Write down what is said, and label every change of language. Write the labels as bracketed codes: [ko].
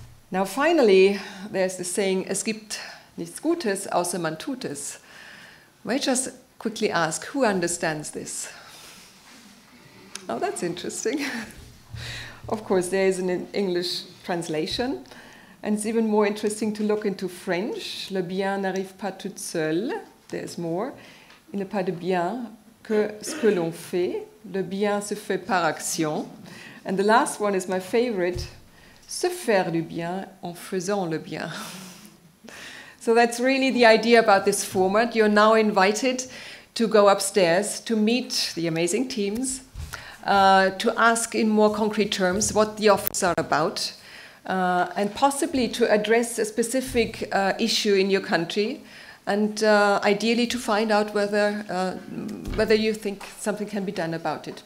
[en] Now, finally, there's the saying, [de] es gibt nichts Gutes, außer man tut es. [en] May I just quickly ask, who understands this? Oh, that's interesting. Of course, there is an English translation, and it's even more interesting to look into French. [fr] Le bien n'arrive pas tout seul. [en] There is more. [fr] Il n'est pas de bien que ce que l'on fait. Le bien se fait par action. [en] And the last one is my favorite. [fr] Se faire du bien en faisant le bien. [en] So that's really the idea about this format. You're now invited to go upstairs to meet the amazing teams, to ask in more concrete terms what the offers are about, and possibly to address a specific issue in your country, and ideally to find out whether whether you think something can be done about it.